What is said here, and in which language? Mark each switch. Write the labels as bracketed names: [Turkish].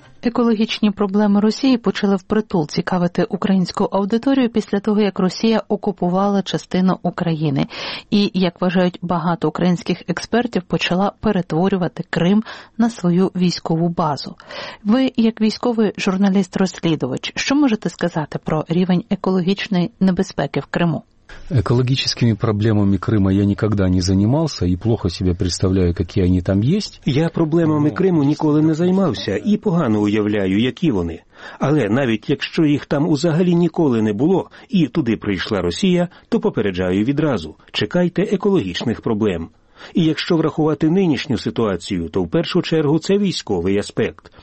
[Ukrainian] Екологічні проблеми Росії почали впритул цікавити українську аудиторію після того, як Росія окупувала частину України. І, як вважають багато українських експертів, почала перетворювати Крим на свою військову базу. Ви, як військовий журналіст-розслідувач, що можете сказати про рівень екологічної небезпеки в Криму? [Russian] Экологическими проблемами Крыма я никогда не занимался и плохо себе представляю, какие они там есть. [Ukrainian] Я проблемами Криму ніколи не займався і погано уявляю, які вони. Але навіть якщо їх там взагалі ніколи не було і туди прийшла Росія, то попереджаю відразу – чекайте екологічних проблем. І якщо врахувати нинішню ситуацію, то в першу чергу це військовий аспект.